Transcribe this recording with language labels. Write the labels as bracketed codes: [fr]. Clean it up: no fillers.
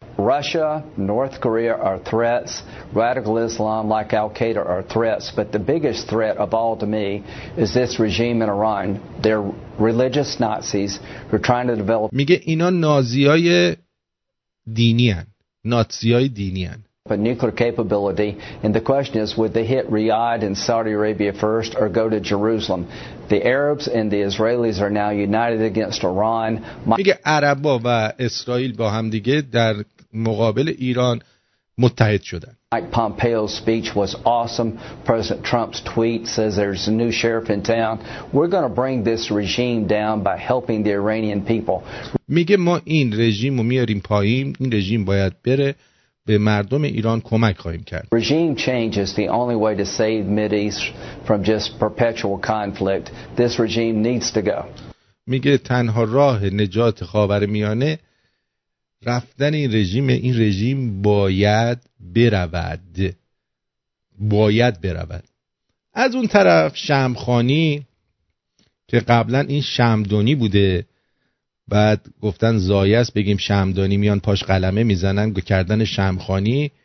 [en] Russia, North Korea are threats. Radical Islam like Al-Qaeda are threats. But the biggest threat of all to me is this regime in Iran. They're religious Nazis who are trying to develop. [fa] میگه اینا نازیای دینی هن. نازیای دینی هن. [en] But nuclear capability. And the question is, would they hit Riyadh in Saudi Arabia first or go to Jerusalem? The Arabs and the Israelis are now united against Iran. [fa] میگه عربا و اسرائیل با هم دیگه در مقابل ایران متحد شدن. [en] Mike Pompeo's speech was awesome. President Trump's tweet says there's a new sheriff in town. We're going to bring this regime down by helping the Iranian people. [fa] میگه ما این رژیم رو میاریم پایین، این رژیم باید بره، به مردم ایران کمک خواهیم کرد. [en] Regime change is the only way to save Mideast from just perpetual conflict. This regime needs to go. [fa] میگه تنها راه نجات خاورمیانه رفتن این رژیم، این رژیم باید برود، باید برود. از اون طرف شمخانی که قبلا این شمدونی بوده، بعد گفتن زایه است بگیم شمدانی، میان پاش قلمه میزنن کردن شمخانی.